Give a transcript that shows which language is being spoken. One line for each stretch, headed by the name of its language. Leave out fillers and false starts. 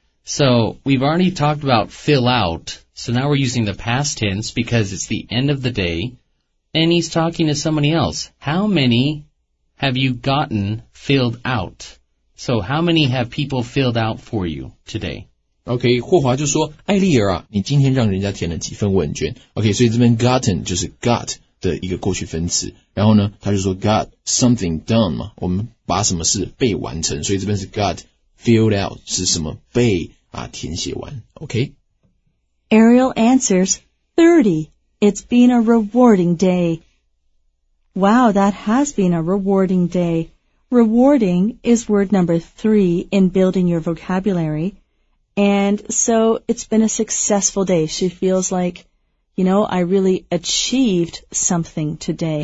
English: So, we've already talked about fill out. So, now we're using the past tense because it's the end of the day. And he's talking to somebody else. How many have you gotten filled out? So, how many have people filled out for you today?
Chinese: Okay, 霍华就说艾丽儿啊你今天让人家填了几份问卷。 Okay, 所以这边 gotten 就是 got 的一个过去分词。然后呢他就说
English: got something done
Chinese: 嘛我们把什么事被完成。所以这边是 got filled out, 是什么被啊填写完。
English: Okay? Ariel answers, 30. It's been a rewarding day. Wow, that has been a rewarding day. Rewarding is word number 3 in building your vocabulary. And so it's been a successful day. She feels like, you know, I really achieved something today.、